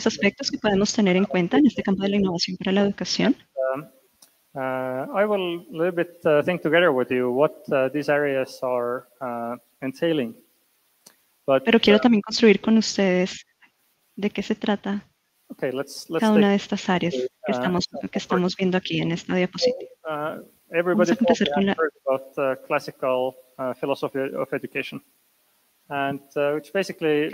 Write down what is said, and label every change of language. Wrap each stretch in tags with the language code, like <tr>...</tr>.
<es>Aspectos que podemos tener en cuenta en este campo de la innovación para la educación.</es> <en>I will a little bit think together with you what these areas are entailing.</en> <es>But, pero quiero también construir con ustedes de qué se trata.</es> <en>Okay, let's</en> <es>cada una de estas áreas que estamos viendo aquí en esta diapositiva.</es> <en>Everybody has heard about classical philosophy of education, and which basically</en>